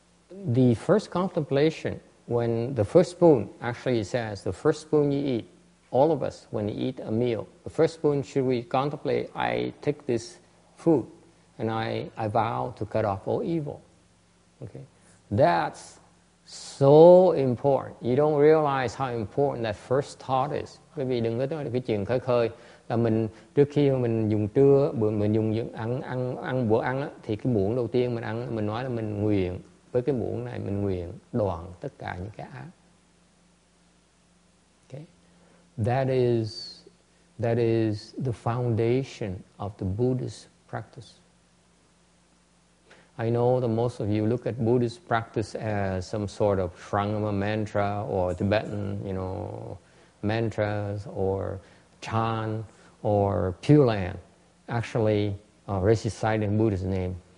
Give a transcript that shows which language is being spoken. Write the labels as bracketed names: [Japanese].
[English] The first contemplation, when the first spoon, actually it says, the first spoon you eat, all of us, when you eat a meal, the first spoon should we contemplate, I take this food and I vow to cut off all evil. Okay. That's so important. You don't realize how important that first thought is. [Vietnamese] Bởi vì đừng có nói cái chuyện khơi khơi là mình trước khi mình dùng trưa mình dùng ăn bữa ăn đó, thì cái muỗng đầu tiên mình ăn mình nói là mình nguyện với cái muỗng này mình nguyện đoạn tất cả những cái ác. [English] Okay. That is the foundation of the Buddhist practice. I know that most of you look at Buddhist practice as some sort of Prajna mantra or Tibetan, you know, mantras or chant or Pure Land, actually reciting Buddha's name.